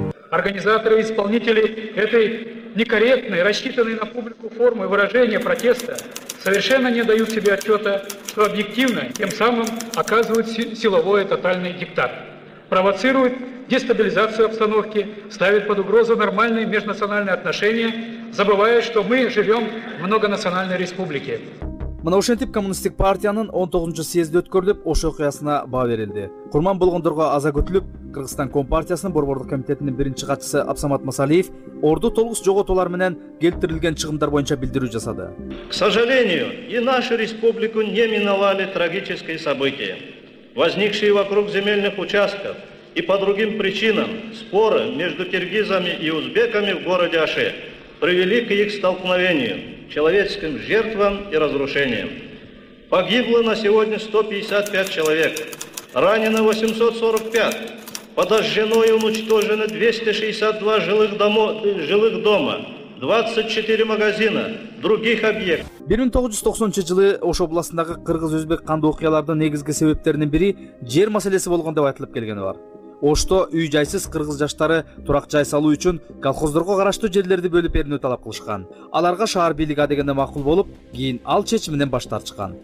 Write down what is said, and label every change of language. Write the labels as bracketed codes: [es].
[ru] Организаторы и исполнители этой некорректной, рассчитанной на публику формы выражения протеста совершенно не дают себе отчета, что объективно тем самым оказывают силовой тотальный диктат, провоцируют дестабилизацию обстановки, ставит под угрозу нормальные межнациональные отношения, забывая, что мы живем в многонациональной республике. [ky] Мына ошентип коммунисттик партиянын 19 съезди өткөрүлүп, ошол окуясына баа берилди. Курман болгондорго аза көтүлүп, Кыргызстан Компартиясынын борбордук комитетинин биринчи катчысы Абсамат Масалиев орду толгус жоготуулар менен келтирилген чыгымдар боюнча билдирүү жасады. [ru] К сожалению, и нашу республику не миновали трагические события, возникшие вокруг земельных участков и по другим причинам. Споры между киргизами и узбеками в городе Аше привели к их столкновению, человеческим жертвам и разрушениям. Погибло на сегодня 155 человек, ранено 845, подожжено и уничтожено 262 жилых дома, 24 магазина, других объектов. [ky] 1990-чы жылы Ош областындагы кыргыз-өзбек кандуу окуялардын негизги себептеринин бири жер маселеси болгон деп айтылып келген бар. Ошто үй жайсыз кыргыз жаштары турак жай салуу үчүн колхоздорго караштуу жерлерди бөлүп берүүнү талап кылышкан. Аларга шаар бийлиги дегенде макул болуп, кийин ал чечиминен баш тарткан.